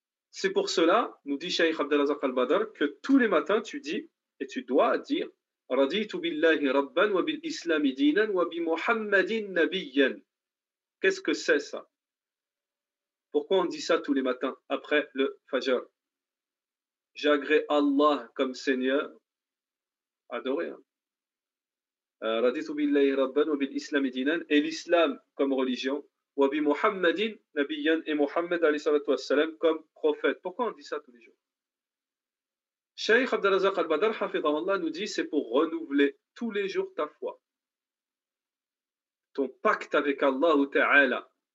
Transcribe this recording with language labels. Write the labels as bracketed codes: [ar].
[fr] C'est pour cela, nous dit Cheikh Abdelrazak Al-Badr, que tous les matins, tu dis, et tu dois dire, [ar] رضيت بالله ربا وبالإسلام دينا وبمحمد نبيا. [fr] Qu'est-ce que c'est ça? Pourquoi on dit ça tous les matins après le Fajr? J'agrée Allah comme Seigneur. Adoré. Hein? [ar] رضيت بالله ربا وبالإسلام دينا. [fr] Et l'islam comme religion. [ar] وبمحمد نبيا. [fr] Et Mohammed [ar] عليه الصلاة والسلام [fr] comme prophète. Pourquoi on dit ça tous les jours? Cheikh Abdelrazak Al-Badr, Hafidhahu Allah, nous dit, c'est pour renouveler tous les jours ta foi. Ton pacte avec Allah Ta'ala.